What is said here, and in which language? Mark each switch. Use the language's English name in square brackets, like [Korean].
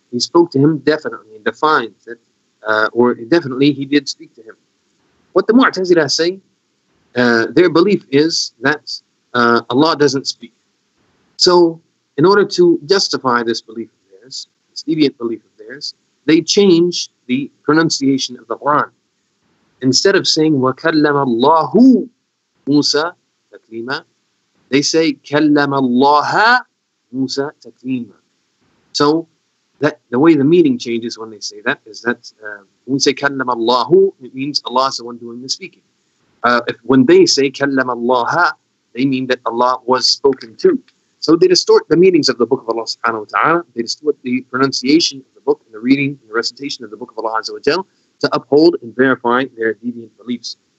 [English] He spoke to him definitely and defined that, or definitely He did speak to him. What the Mu'tazila say, their belief is that Allah doesn't speak. So, in order to justify this belief of theirs, this deviant belief of theirs, they change the pronunciation of the Quran. Instead of saying [Arabic] وَكَلَّمَ اللَّهُ مُوسَى تَكْلِيمًا, [English] they say [Arabic] كَلَّمَ اللَّهَ مُوسَى تَكْلِيمًا. [English] So, that the way the meaning changes when they say that is that when we say [Arabic] كَلَّمَ اللَّهُ, [English] it means Allah is the one doing the speaking. If when they say [Arabic] كَلَّمَ اللَّهَ, [English] they mean that Allah was spoken to. So they distort the meanings of the book of Allah subhanahu wa ta'ala. They distort the pronunciation of the book and the reading and the recitation of the book of Allah azza wa jal to uphold and verify their deviant beliefs.